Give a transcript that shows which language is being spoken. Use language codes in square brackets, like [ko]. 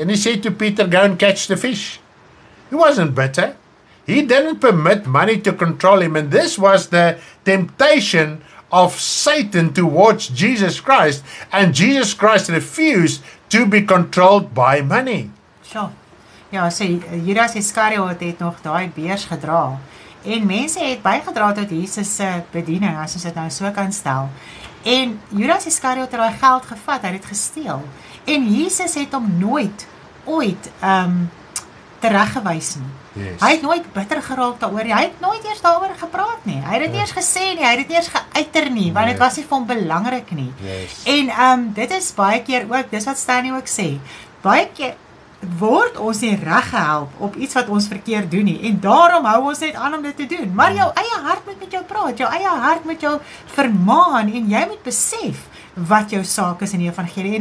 [en] And he said to Peter, go and catch the fish. He wasn't bitter. He didn't permit money to control him. And this was the temptation of Satan towards Jesus Christ. And Jesus Christ refused to be controlled by money. Sure. [af] Ja, sê, Judas Iscariot het nog daai beurs gedra. En mense het bygedra tot Jesus se bediening, as ons dit nou so kan stel. En Judas Iscariot het daai geld gevat, hy het gesteel. En Jesus het hom nooit ooit tereggewys nie. [en] Yes. [af] Hy het nooit bitter geraak daaroor nie. Hy het nooit eers daaroor gepraat nie. Hy het dit nie eers gesê nie. Hy het dit nie eers geuiter nie, want dit was nie vir hom belangrik nie. [en] Yes. [af] En dit is baie keer ook, dis wat Stanley ook sê. Baie keer word ons nie reg gehelp op iets wat ons verkeerd doen nie, en daarom hou ons net aan om dit te doen. Maar jou eie hart moet met jou praat, jou eie hart moet jou vermaan, en jy moet besef wat jou saak is in die evangelie.